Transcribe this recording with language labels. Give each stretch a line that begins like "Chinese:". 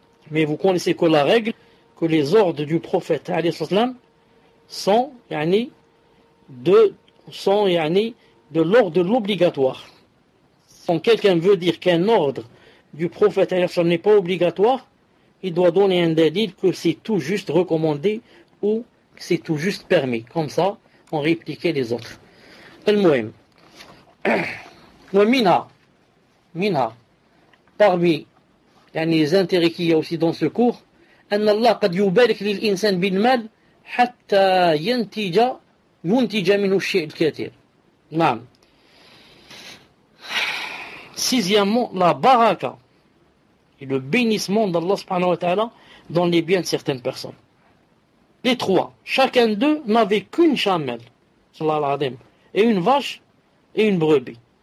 French: Mais vous connaissez que la règle, que les ordres du prophète, alayhissalam, sont de l'ordre de l'obligatoire. Quand quelqu'un veut dire qu'un ordre du prophète alayhissalam n'est pas obligatoire, il doit donner un dalil que c'est tout juste recommandé ou que c'est tout juste permis. Comme ça, on répliquait les autres.
Arabic: Al-Muhim. Mina.
French: Parmi les intérêts qu'il y a aussi dans ce cours,
Arabic: أن الله قد يبارك للإنسان بالمال حتى ينتج منه الشيء الكثير. نعم.
French: Sixièmement, la baraka et le bénissement d'Allah subhanahu wa ta'ala dans les biens de certaines personnes. Les trois, chacun d'eux n'avait qu'une chamelle, sallallahu alayhi wa sallam, et une vache et une brebis.